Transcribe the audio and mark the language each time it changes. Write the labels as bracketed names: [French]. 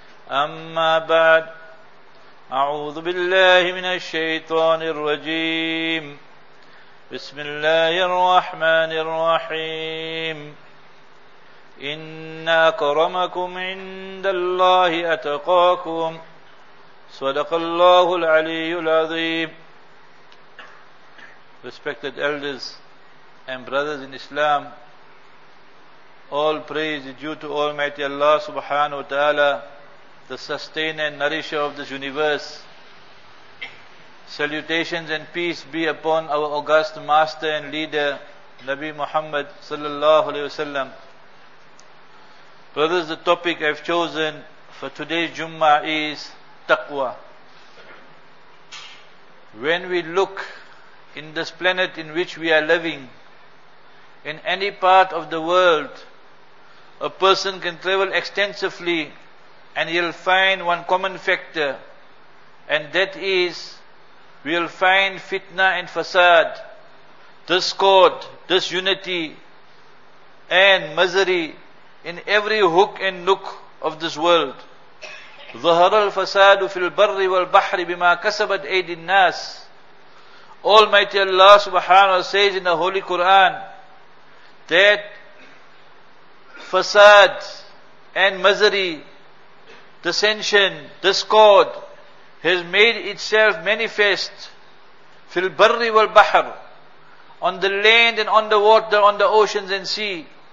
[Arabic] أما بعد، أعوذ بالله من الشيطان الرجيم، بسم الله الرحمن الرحيم. إن أكرمكم عند الله أتقاكم، صدق الله العلي العظيم. [English] Respected elders and brothers in Islam, all praise is due to Almighty Allah subhanahu wa ta'ala, the sustainer and nourisher of this universe. Salutations and peace be upon our august master and leader, Nabi Muhammad sallallahu alayhi wa sallam. Brothers, the topic I've chosen for today's Jummah is Taqwa. When we look in this planet in which we are living, in any part of the world, a person can travel extensively and he'll find one common factor, and that is we'll find fitna and fasad, discord, disunity and misery in every hook and nook of this world. [Arabic] ظهر الفساد في البر والبحر بما كسبت أيدي الناس. [English] Almighty Allah subhanahu wa ta'ala says in the Holy Quran that fasad and misery, dissension, discord has made itself manifest [Arabic] في البر والبحر, [English] on the land and on the water, on the oceans and sea.